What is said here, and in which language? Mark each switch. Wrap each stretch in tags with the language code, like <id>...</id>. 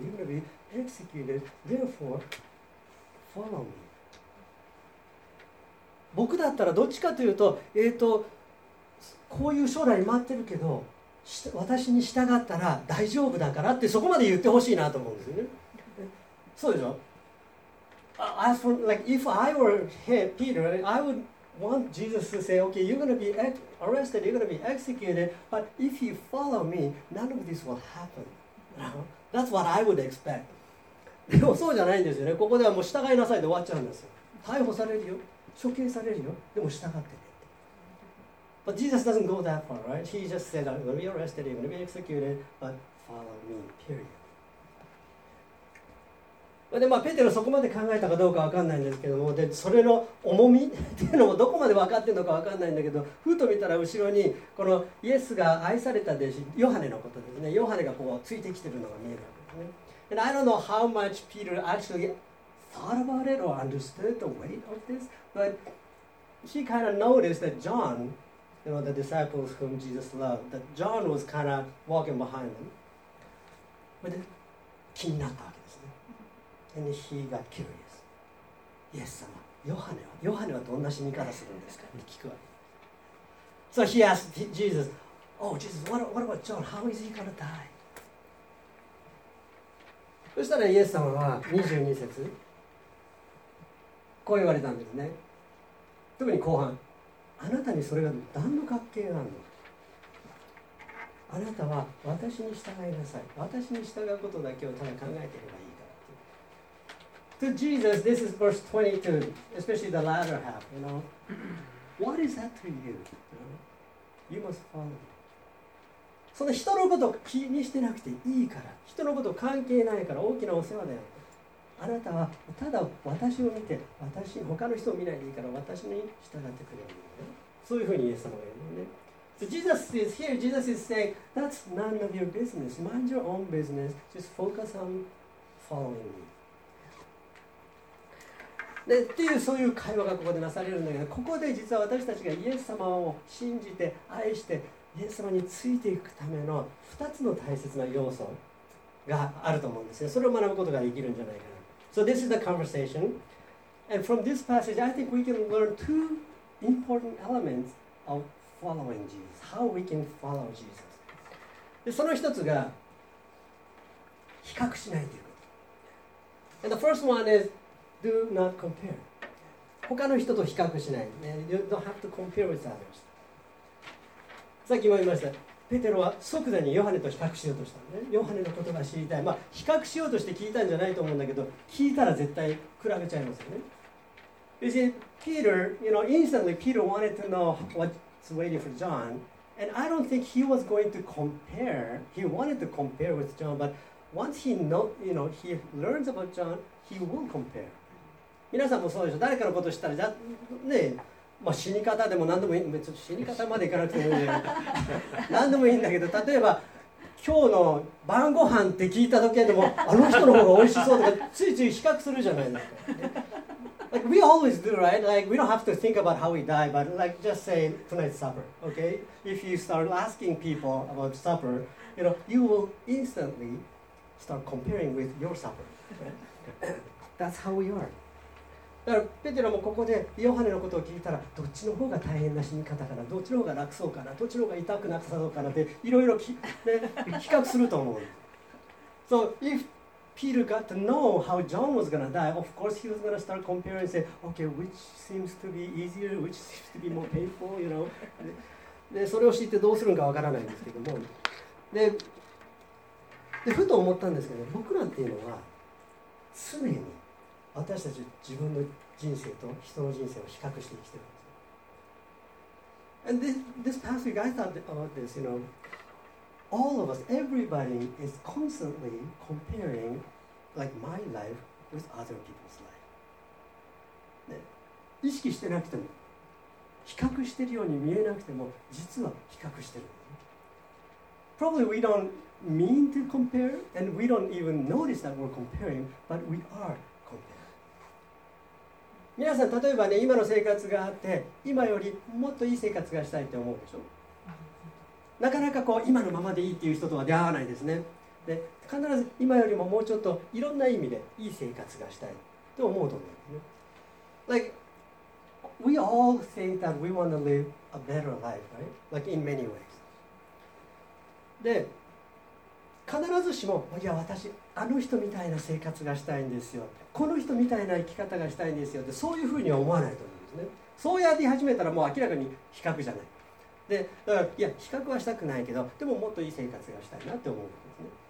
<en>You're going to be executed. Therefore, follow me.</en> <ja>僕だったらどっちかというと、こういう将来待ってるけど私に従ったら大丈夫だからってそこまで言ってほしいなと思うんですよね。そうでしょ。</ja> <en>As for, like, if I were here, Peter, I would want Jesus to say, okay, you're going to be arrested, you're going to be executed, but if you follow me, none of this will happen. That's what I would expect.</en> <ja>でもそうじゃないんですよね。ここではもう従いなさいで終わっちゃうんですよ。逮捕されるよ、処刑されるよ、でも従ってね。</ja> <en>But Jesus doesn't go that far, right? He just said, I'm going to be arrested, I'm going to be executed, but follow me, period.</en> <ja>で、まあ、ペテロそこまで考えたかどうか分かんないんですけども、で、それの重みっていうのもどこまで分かってるのか分かんないんだけど、ふと見たら後ろに、このイエスが愛された弟子、ヨハネのことですね。ヨハネがこうついてきてるのが見えるわけですね。</ja> <en>And I don't know how much Peter actually thought about it or understood the weight of this, but he kind of noticed that John... You know, the disciples whom Jesus loved, that John was kind of walking behind them. But then,</en> <ja>気になったわけですね。</ja> <en>And he got curious.</en> <ja>Yes, 様、ヨハネはどんな死に方するんですかって聞くわけ。</ja> <en>So he asked Jesus, Oh, Jesus, what about John? How is he gonna die?</en> <ja>そしたらイエス様は22節、こう言われたんですね。特に後半。あなたにそれが何の関係があるの？あなたは私に従いなさい。私に従うことだけをただ考えていればいいから。</ja> <en>To Jesus, this is verse 22, especially the latter half, you know. What is that to you? You must follow.</en> <ja>その人のことを気にしてなくていいから、人のこと関係ないから、大きなお世話だよ。あなたはただ私を見て、私、他の人を見ないでいいから、私に従ってくれるんだよ。そういうふうにイエス様が言うのね。</ja> <en>So Jesus is here, Jesus is saying, that's none of your business. Mind your own business. Just focus on following me.</en> <ja>でっていうそういう会話がここでなされるんだけど、ここで実は私たちがイエス様を信じて、愛して、イエス様についていくための2つの大切な要素があると思うんですよ。それを学ぶことができるんじゃないかな。</ja> <en>So this is the conversation. And from this passage, I think we can learn two important elements of following Jesus. How we can follow Jesus.</en> <ja>でその一つが、比較しないということ。</ja> <en>And the first one is, do not compare.</en> <ja>他の人と比較しない。</ja> <en>You don't have to compare with others.</en> <ja>さっきも言いました。ペテロは即座にヨハネと比較しようとしたのね。ヨハネの言葉知りたい。まあ比較しようとして聞いたんじゃないと思うんだけど、聞いたら絶対比べちゃいますよね。</ja> <en>You see, Peter, you know, instantly Peter wanted to know what's waiting for John, and I don't think he was going to compare. He wanted to compare with John, but once he know, you know, he learns about John, he will compare.</en> <ja>皆さんもそうでしょ。誰かのこと知ったらじゃねえ。まあ、死に方でも何でもいい、ちょっと死に方までいかなくてもいいんじゃないか。何でもいいんだけど、例えば今日の晩ご飯って聞いた時でも、あの人の方が美味しそうとか、ついつい比較するじゃないですか。</ja> <en>Like, we always do, right? Like, we don't have to think about how we die, but like, just say tonight's supper, okay? If you start asking people about supper, you know, you will instantly start comparing with your supper. That's how we are.</en> <ja>だからペテロもここでヨハネのことを聞いたら、どっちの方が大変な死に方かな、どっちの方が楽そうかな、どっちの方が痛くなさそうかなっていろいろ比較すると思う。</ja> <en>So if Peter got to know how John was going to die, of course he was going to start comparing and say, okay, which seems to be easier, which seems to be more painful, you know.</en> <ja>でそれを知ってどうするのかわからないんですけども。でふと思ったんですけど、僕らっていうのは常に私たち自分の人生と人の人生を比較して生きているんです。</ja> <en>And this past week I thought about this, you know, all of us, everybody is constantly comparing like my life with other people's life.</en> <ja>意識してなくても、比較しているように見えなくても、実は比較している。</ja> <en>Probably we don't mean to compare and we don't even notice that we're comparing, but we are.</en> <ja>皆さん例えばね、今の生活があって今よりもっといい生活がしたいって思うでしょ。なかなかこう今のままでいいっていう人とは出会わないですね。で必ず今よりももうちょっといろんな意味でいい生活がしたいと思うと思うんですね。</ja> <en>Like we all think that we want to live a better life, right? Like in many ways.</en> <ja>で必ずしも、いや私あの人みたいな生活がしたいんですよ、この人みたいな生き方がしたいんですよって、そういうふうには思わないと思うんですね。そうやって始めたらもう明らかに比較じゃない。でだからいや比較はしたくないけど、でももっといい生活がしたいなって思うんですね。</ja>